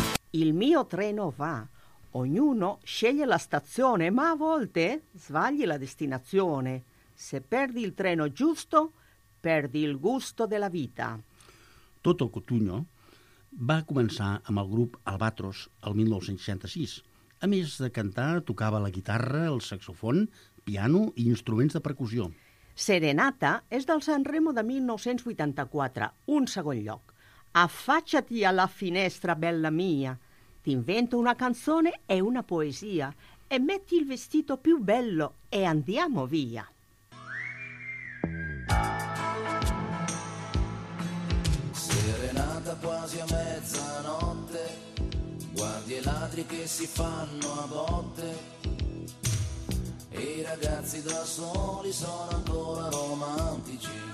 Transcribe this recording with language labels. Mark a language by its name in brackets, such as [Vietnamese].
[Italian] Il mio treno va, ognuno sceglie la stazione, ma a volte sbagli la destinazione. Se perdi il treno giusto, perdi il gusto della vita. [Catalan] Toto Cutugno va començar amb el grup Albatros el 1966. A més de cantar, tocava la guitarra, el saxofon, piano i instruments de percussió. Serenata és del San Remo de 1984, un segon lloc. [Italian] Afaccia-t'hi a la finestra, bella mia. T'invento una canzone e una poesia e metti il vestito più bello e andiamo via. Serenata quasi a mezzanotte, guardi i ladri che si fanno a botte e i ragazzi da soli sono ancora romantici.